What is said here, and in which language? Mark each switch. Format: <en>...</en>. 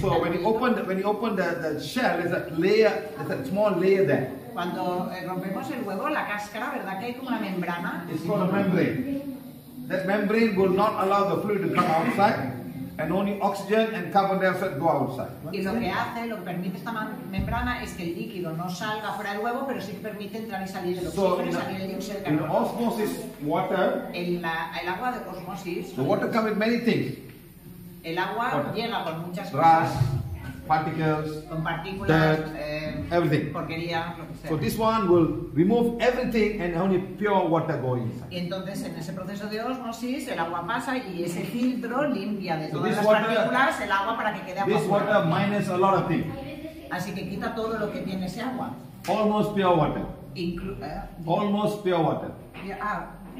<en>So when you open the shell, there's a layer, there's a small layer there.</en> <es>Cuando rompemos el huevo, la cáscara, ¿verdad que hay como una membrana?</es> <en>It's called a membrane. That membrane will not allow the fluid to come outside, and only oxygen and carbon dioxide go outside.</en> <es>Y lo que hace, lo que permite esta membrana es que el líquido no salga fuera del huevo, pero sí que permite entrar y salir el oxígeno, salir el dióxido de carbono.</es> <en>In osmosis water.</en> <es>En el agua de osmosis.</es> <en>The water comes with many things.</en> <es>El agua llega con muchas cosas.</es> <en>Grass, particles,</en> <es>con partículas, dirt,</es> <en>everything.</en> <es>Porquería, lo que sea.</es> <en>So this one will remove everything and only pure water goes inside.</en> <es>Y entonces en ese proceso de osmosis el agua pasa y ese filtro limpia de todas las</es> <en>water,</en> <es>partículas el agua para que quede agua.</es> <en>This water minus a lot of things.</en> <es>Así que quita todo lo que tiene ese agua.</es> <en>Almost pure water. Almost pure water. Yeah,</en>